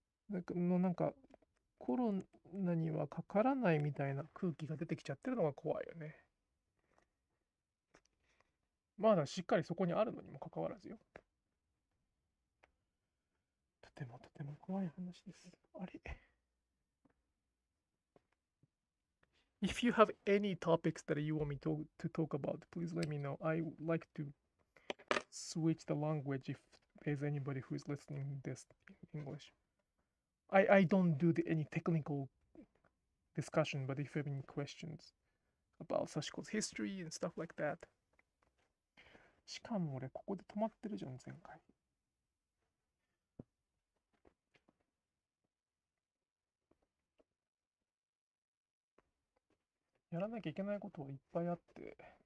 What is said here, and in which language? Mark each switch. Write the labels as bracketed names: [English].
[Japanese] なんかコロナにはかからないみたいな空気が出てきちゃってるのが怖いよね。まだしっかりそこにあるのにもかかわらずよ。とてもとても怖い話です。あれ？ [English] If you have any topics that you want me to talk about, please let me know. I would like to switch the language if there's anybody who is listening this in English. I don't do any technical discussion, but if you have any questions about Sashiko's history and stuff like that. [Japanese] しかも俺ここで止まってるじゃん、前回。やらなきゃいけないことはいっぱいあって。